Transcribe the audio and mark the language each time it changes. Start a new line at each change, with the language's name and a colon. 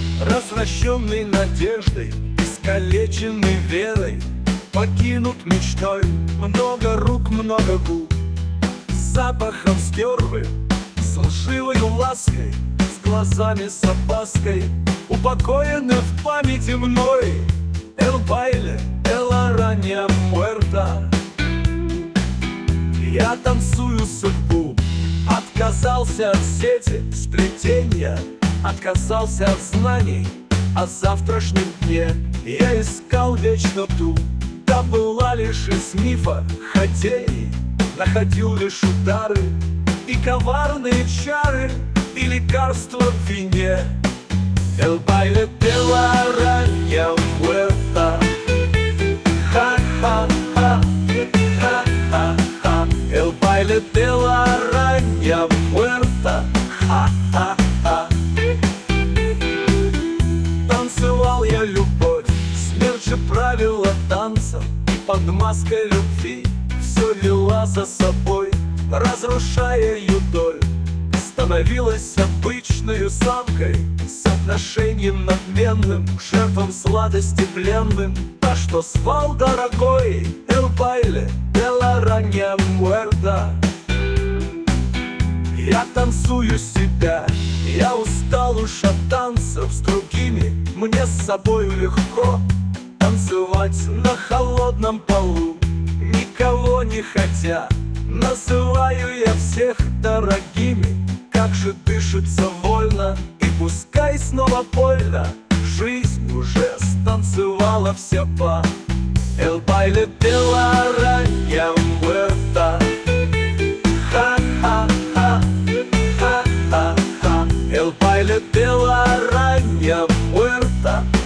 Russian: истощенный надеждой, искалеченный верой, покинут мечтой. Много рук, много губ, с запахом стервы, с лживою лаской, с глазами с опаской, упокоены в памяти мной.
Spanish: El baile, el araña muerta.
Russian: Я танцую судьбу, отказался от сети, сплетения, отказался от знаний о завтрашнем дне. Я искал вечно ту, та была лишь из мифа, хотей, находил лишь удары и коварные чары, и лекарства в вине.
Spanish: El baile de la araña muerta. Ха-ха-ха, ха-ха-ха. El baile de la araña muerta. Ха-ха-ха.
Russian: Танцевал я любовь, смерча правила танцев, и под маской любви все вела за собой, разрушая ее долю. Становилась обычной самкой, с отношением надменным, шефом сладости пленным. А что звал дорогой,
Spanish: el baile de la araña muerta.
Russian: Я танцую себя, я устал уж от танцев с другими, мне с собой легко танцевать на холодном полу, никого не хотя. Называю я всех дорогими, как же дышится вольно, и пускай снова больно, жизнь уже станцевала вся па.
Spanish: El baile de la araña muerta. Ха-ха-ха, ха-ха-ха. El baile de la araña muerta.